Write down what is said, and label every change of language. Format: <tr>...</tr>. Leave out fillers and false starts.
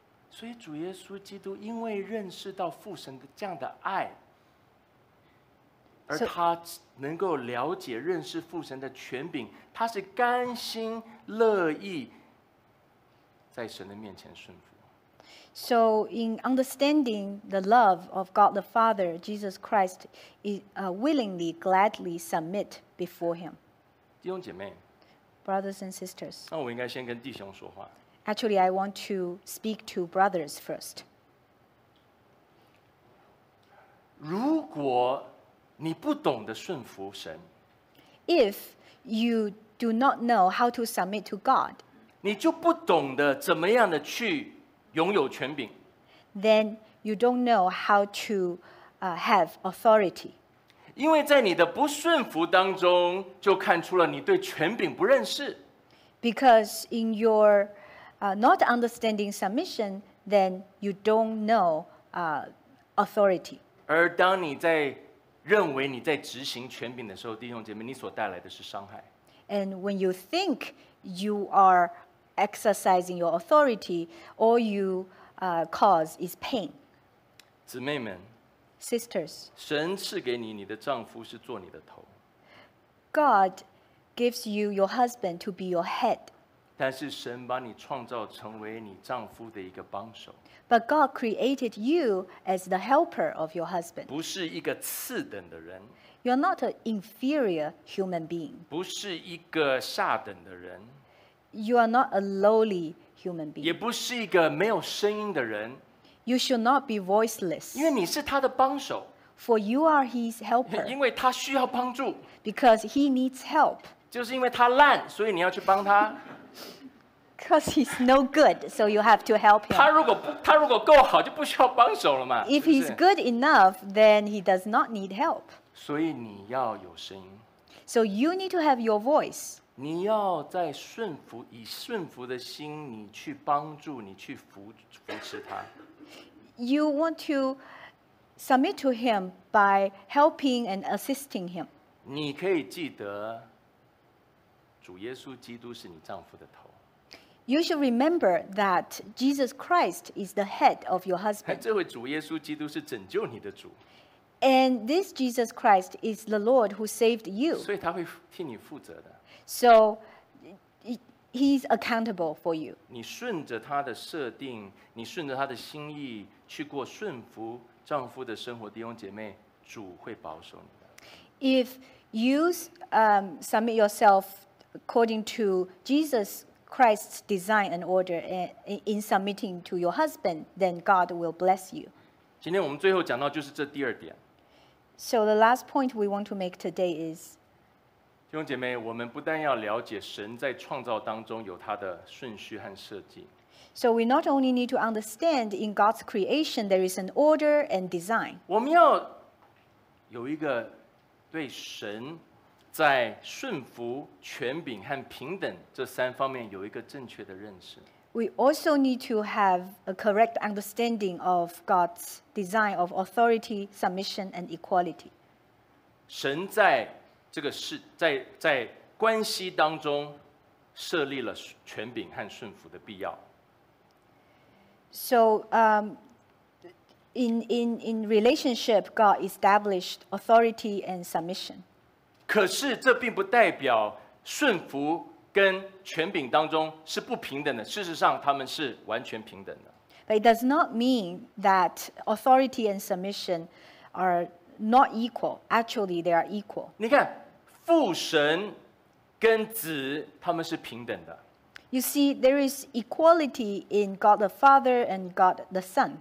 <zh>所以主耶稣基督因为认识到父神的这样的爱，而他能够了解认识父神的权柄，他是甘心乐意在神的面前顺服。</zh> <en>So in understanding the love of God the Father, Jesus Christ willingly, gladly submit before him.</en> <zh>弟兄姐妹，</zh> <en>Brothers and sisters.</en> <zh>那我应该先跟弟兄说话。</zh> <en>Actually, I want to speak to brothers first.</en> <zh>如果你不懂得顺服神，</zh> <en>If you do not know how to submit to God,</en> <zh>你就不懂得怎么样的去拥有权柄。</zh> <en>Then you don't know how to have authority.</en> <zh>因为在你的不顺服当中，就看出了你对权柄不认识。</zh> <en>Because in your not understanding submission, then you don't know authority.</en> <zh>而当你在认为你在执行权柄的时候，弟兄姐妹，你所带来的是伤害。</zh> <en>And when you think you areexercising your authority, all you cause is pain.</en> <zh>姊妹们，</zh> <en>sisters,</en> <zh>神赐给你，你的丈夫是做你的头。</zh> <en>God gives you your husband to be your head.</en> <zh>但是神把你创造成为你丈夫的一个帮手。</zh> <en>But God created you as the helper of your husband.</en> <zh>不是一个次等的人。</zh> <en>You're not an inferior human being.</en> <zh>不是一个下等的人。</zh> <en>You are not a lowly human being.</en> <zh>也不是一个没有声音的人。</zh> <en>You should not be voiceless.</en> <zh>因为你是他的帮手。</zh> <en>For you are his helper.</en> <zh>因为他需要帮助。</zh> <en>Because he needs help.</en> <zh>就是因为他烂，所以你要去帮他。</zh> <en>Because he's no good, so you have to help him.</en> <zh>他如果够好，就不需要帮手了嘛。</zh> <en>If he's good enough, then he does not need help.</en> <zh>所以你要有声音。</zh> <en>So you need to have your voice.</en> <zh>你要在顺服，以顺服的心，你去帮助，你去扶持他。</zh> <en>You want to submit to him by helping and assisting him.</en> <zh>你可以记得主耶稣基督是你丈夫的头。</zh> <en>You should remember that Jesus Christ is the head of your husband.</en> <zh>这位主耶稣基督是拯救你的主。</zh> <en>And this Jesus Christ is the Lord who saved you.</en> <zh>所以他会替你负责的。</zh> <en>So he's accountable for you.</en> <zh>你顺着他的设定，你顺着他的心意去过顺服丈夫的生活，弟兄姐妹，主会保守你的。</zh> <en>If you submit yourself according to Jesus Christ's design and order in submitting to your husband, then God will bless you.</en> <zh>今天我们最后讲到就是这第二点。</zh> <en>So the last point we want to make today is,</en> <zh>弟兄姐妹，我们不但要了解神在创造当中有他的顺序和设计。</zh> <en>So we not only need to understand in God's creation there is an order and design.</en> <zh>我们要有一个对神在顺服、权柄和平等这三方面有一个正确的认识。</zh> <en>We also need to have a correct understanding of God's design of authority, submission, and equality.</en> <zh>神在这个事在关系当中设立了权柄和顺服的必要。</zh> <en>So, in relationship, God established authority and submission.</en> <zh>可是这并不代表顺服跟权柄当中是不平等的。事实上，他们是完全平等的。</zh> <en>But it does not mean that authority and submission are not equal. Actually, they are equal.</en> <zh>你看，父神跟子他们是平等的。</zh> <en>You see, there is equality in God the Father and God the Son.</en>